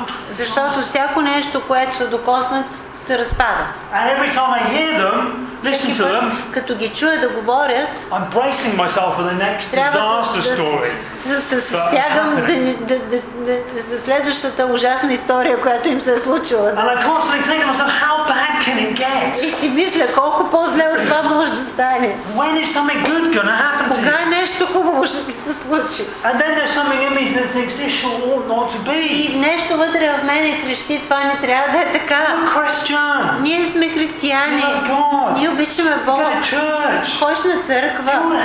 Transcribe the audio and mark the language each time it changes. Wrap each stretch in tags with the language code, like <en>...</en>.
<bg>Защото всяко нещо, което са докоснат, се разпада.</bg> <en>And every time I hear them, listen to them.</en> <bg>Като ги чуя да говорят,</bg> <en>I'm bracing myself for the next disaster story.</en> <bg>Стягам за следващата ужасна история, която им се е случила.</bg> <en>And I constantly think to myself, how bad can it get?</en> <bg>И си мисля колко по-зле от това може да стане.</bg> <en>When is something good gonna happen?</en> <bg>Кога нещо хубаво ще се случи?</bg> <en>And then there's something in me that thinks this should not to be.</en> <bg>И нещо вътре в мене крещи, това не трябва да е така. Ние сме християни. Ние обичаме Бог. Ходиш на църква.</bg>